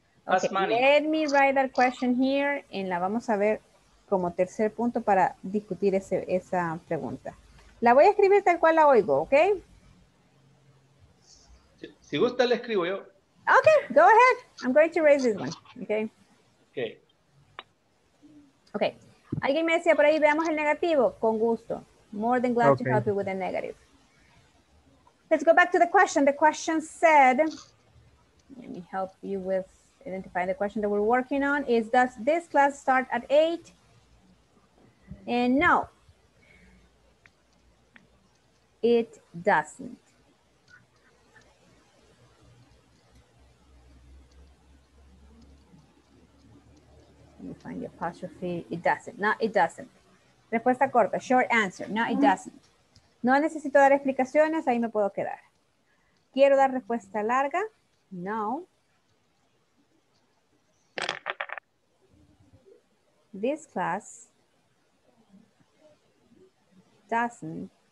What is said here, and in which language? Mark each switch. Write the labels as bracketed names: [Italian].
[English] Okay, let me write that question here and [Spanish] la vamos a ver como tercer punto para discutir esa pregunta. La voy a escribir tal cual la oigo, ¿ok? Si gusta, la escribo yo. [English] Okay, go ahead. I'm going to raise this one. Okay. Okay. [Spanish] Alguien me decía por ahí, veamos el negativo. Con gusto. [English] More than glad to help you with the negative. Let's go back to the question. The question said, let me help you with identifying the question that we're working on, is does this class start at 8? And no. It doesn't. You find the apostrophe, it doesn't, no, it doesn't. [Spanish] Respuesta corta, [English] short answer, no, it doesn't. [Spanish] No necesito dar explicaciones, ahí me puedo quedar. Quiero dar respuesta larga, no. [English] This class doesn't.